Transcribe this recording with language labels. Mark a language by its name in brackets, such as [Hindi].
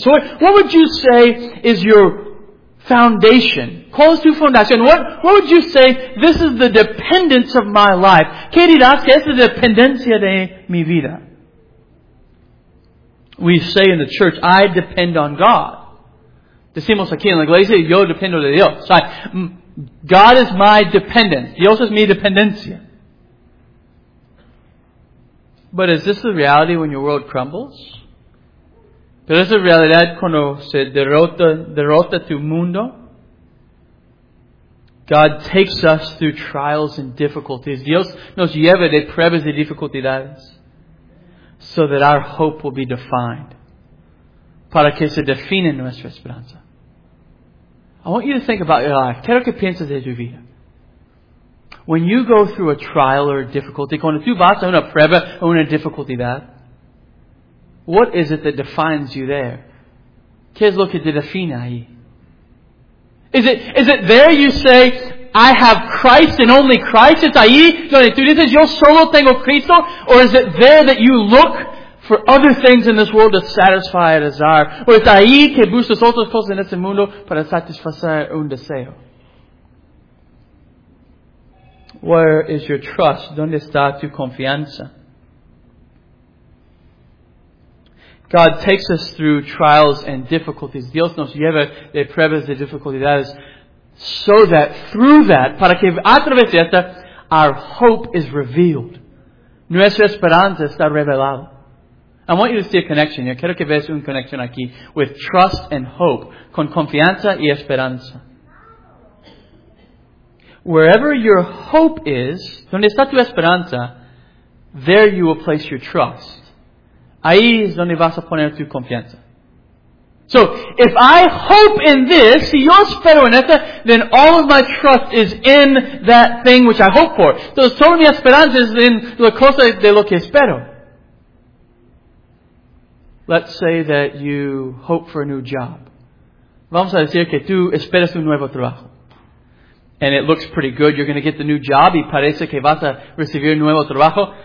[English] So, what would you say is your foundation? [Spanish] ¿Cuál es tu fundación? [English] What would you say, this is the dependence of my life? [Spanish] ¿Qué dirás que es la dependencia de mi vida? [English] we say in the church, I depend on God. [Spanish] Decimos aquí en la iglesia, yo dependo de Dios. [English] So God is my dependence. [Spanish] Dios es mi dependencia. [English] But is this the reality when your world crumbles? [Spanish] ¿Pero es la realidad cuando se derrota tu mundo? [English] God takes us through trials and difficulties. [Spanish] Dios nos lleva de pruebas y dificultades. [English] So that our hope will be defined. Para que se define nuestra esperanza. I want you to think about your life. [Spanish] Quiero que pienses de tu vida. [English] When you go through a trial or a difficulty, [Spanish] cuando tú vas a una prueba o una dificultad, [English] what is it that defines you there? [Spanish] ¿Qué es lo que te define ahí? [English] Is it there you say, I have Christ and only Christ? [Spanish] ¿Es ahí donde tú dices, yo solo tengo Cristo? [English] Or is it there that you look for other things in this world to satisfy a desire? [Spanish] ¿O es ahí que buscas otras cosas en este mundo para satisfacer un deseo? [English] Where is your trust? [Spanish] ¿Dónde está tu confianza? [English] God takes us through trials and difficulties. [Spanish] Dios nos lleva de pruebas y dificultades. [English] So that, through that, [Spanish] para que a través de esta, [English] our hope is revealed. [Spanish] Nuestra esperanza está revelada. [English] I want you to see a connection here. [Spanish] Quiero que veas una conexión aquí. [English] With trust and hope. [Spanish] Con confianza y esperanza. [English] Wherever your hope is, [Spanish] donde está tu esperanza, [English] there you will place your trust. [Spanish] Ahí es donde vas a poner tu confianza. [English] So, if I hope in this, [Spanish] si yo espero en esta, [English] then all of my trust is in that thing which I hope for. [Spanish] Entonces, toda mi esperanza es en la cosa de lo que espero. [English] Let's say that you hope for a new job. [Spanish] Vamos a decir que tú esperas un nuevo trabajo. [English] And it looks pretty good. You're going to get the new job. [Spanish] Y parece que vas a recibir un nuevo trabajo.